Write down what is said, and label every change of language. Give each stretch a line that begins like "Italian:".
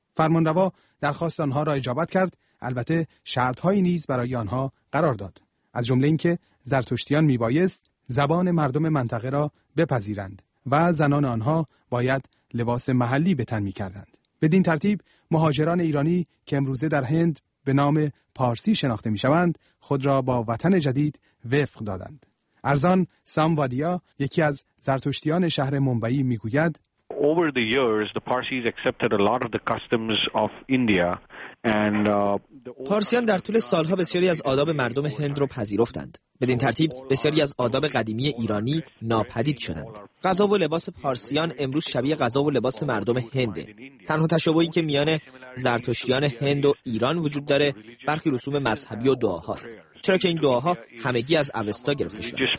Persian: فرمانروا درخواست آنها را اجابت کرد، البته شرط‌هایی نیز برای آنها قرار داد، از جمله اینکه زرتشتیان می‌بایست زبان مردم منطقه را بپذیرند و زنان آنها باید لباس محلی به تن می‌کردند. بدین ترتیب مهاجران ایرانی که امروزه در هند به نام پارسی شناخته می‌شوند، خود را با وطن جدید وفق دادند. ارزان ساموادیا، یکی از زرتشتیان شهر ممبئی، می‌گوید:
English: Over the years the Parsis accepted a lot of the customs of India and
Persian: پارسیان در طول سالها بسیاری از آداب مردم هند را پذیرفتند. بدین ترتیب بسیاری از آداب قدیمی ایرانی ناپدید شدند. غذا و لباس پارسیان امروز شبیه غذا و لباس مردم هنده. تنها تشابهی که میان زرتشتیان هند و ایران وجود داره برخی رسوم مذهبی و دعاهاست، چرا که این دعاها همگی از اوستا گرفته شده.